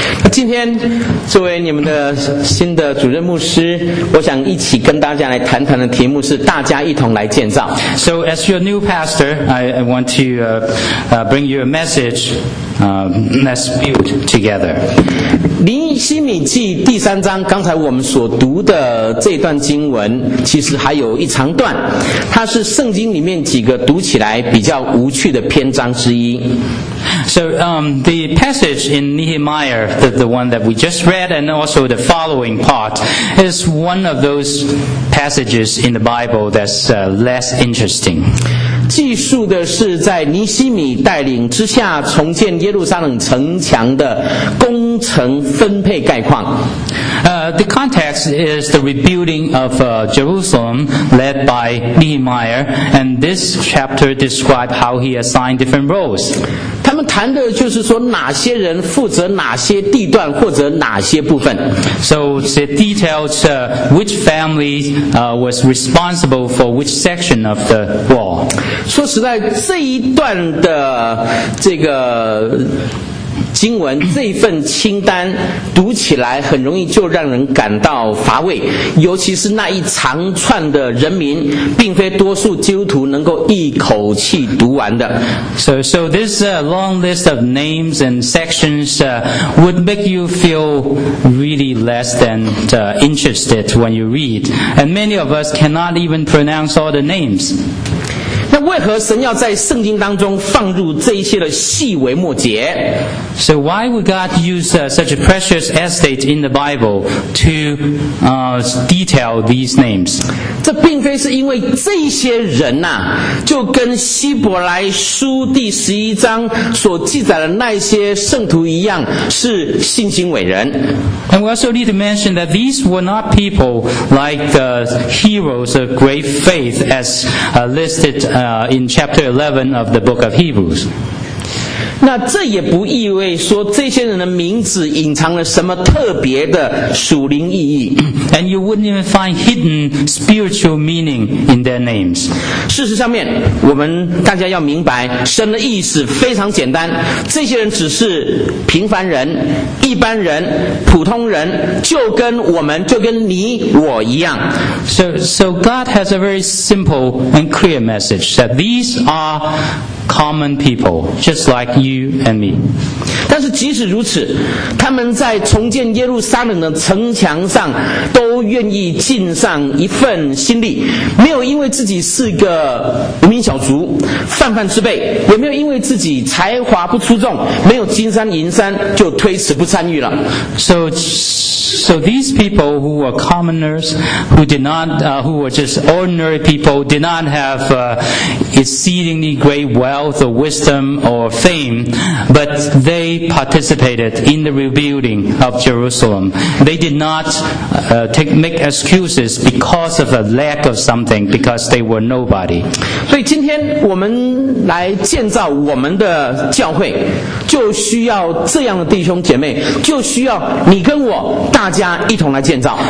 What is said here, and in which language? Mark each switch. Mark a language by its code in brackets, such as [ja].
[zh] 那今天作为你们的新的主任牧师，我想一起跟大家来谈谈的题目是大家一同来建造。 [en] So as your new pastor, I want to bring you a message. Let's build together. [zh] 尼希米记第三章，刚才我们所读的这段经文其实还有一长段，它是圣经里面几个读起来比较无趣的篇章之一。 [en] So, the passage in Nehemiah, the one that we just read, and also the following part, is one of those passages in the Bible that's less interesting. [zh] 记述的是在尼希米带领之下重建耶路撒冷城墙的工程分配概况。 [en] The context is the rebuilding of Jerusalem led by Nehemiah, and this chapter describes how he assigned different roles. [zh] 他们谈的就是说哪些人负责哪些地段或者哪些部分。 [en] So it details which family was responsible for which section of the wall. [zh] 说实在，这一段的这个经文这份清单读起来很容易就让人感到乏味，尤其是那一长串的人名，并非多数基督徒能够一口气读完的。 [en] So this long list of names and sections would make you feel really less than interested when you read, and many of us cannot even pronounce all the names. [zh] 那为何神要在圣经当中放入这一些的细微末节？ [en] So why would God use such a precious estate in the Bible to detail these names? [zh] 这并非是因为这些人啊，就跟希伯来书第十一章所记载的那些圣徒一样，是信心伟人。 [en] And we also need to mention that these were not people like the heroes of great faith as listed in chapter 11 of the book of Hebrews. [zh] 那这也不意味说这些人的名字隐藏了什么特别的属灵意义。 [en] And you wouldn't even find hidden spiritual meaning in their names. [zh] 事实上面，我们大家要明白，神的意思非常简单，这些人只是平凡人，一般人，普通人，就跟我们，就跟你我一样。 [en] So God has a very simple and clear message that these are common people, just like you and me. [zh] 但是即使如此，他们在重建耶路撒冷的城墙上都愿意尽上一份心力，没有因为自己是个无名小卒泛泛之辈，也没有因为自己才华不出众没有金山银山就推辞不参与了。 [en] So these people who were commoners, who were just ordinary people, did not have exceedingly great wealth or wisdom or fame, but they participated in the rebuilding of Jerusalem. They did not make excuses because of a lack of something, because they were nobody. [zh] 所以今天我们来建造我们的教会，就需要这样的弟兄姐妹，就需要你跟我大家一同来建造。